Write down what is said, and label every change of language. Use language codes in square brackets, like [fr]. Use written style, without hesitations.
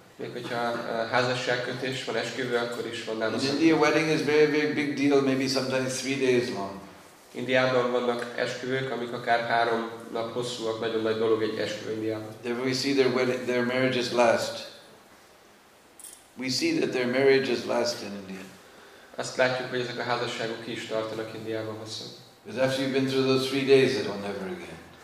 [hu] Még hogyha házasságkötés van esküvő, akkor is van Nam [en] Sankirtan. In India, wedding is very, very big deal, maybe sometimes 3 days long. [hu] Indiában vannak esküvők, amik akár 3 nap hosszúak, nagyon nagy dolog egy esküvő Indiában. [en] There we see their marriages last. We see that their marriages last in India. [hu] Azt látjuk, hogy ezek a házasságok ki is tartanak Indiában hosszan. [en] Because after you've been through those 3 days, it will never again.